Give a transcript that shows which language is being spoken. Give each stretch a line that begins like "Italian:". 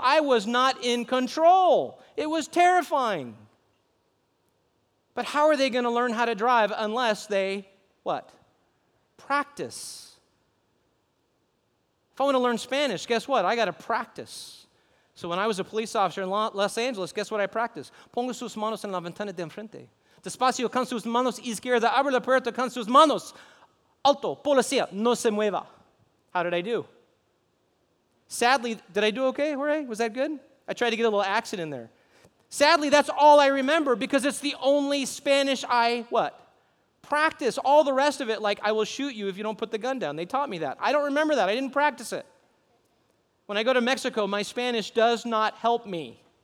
English: I was not in control. It was terrifying. But how are they going to learn how to drive unless they, what? Practice. If I want to learn Spanish, guess what? I got to practice. So when I was a police officer in Los Angeles, guess what I practiced?
Spanish: Ponga sus manos en la ventana de enfrente. Despacio con sus manos izquierda. Abre la puerta con sus manos. Alto, policía, no se mueva.
English: How did I do? Sadly, did I do okay, Jorge? Was that good? I tried to get a little accent in there. Sadly, that's all I remember because it's the only Spanish I, what? Practice. All the rest of it, like, I will shoot you if you don't put the gun down. They taught me that. I don't remember that. I didn't practice it. When I go to Mexico, my Spanish does not help me.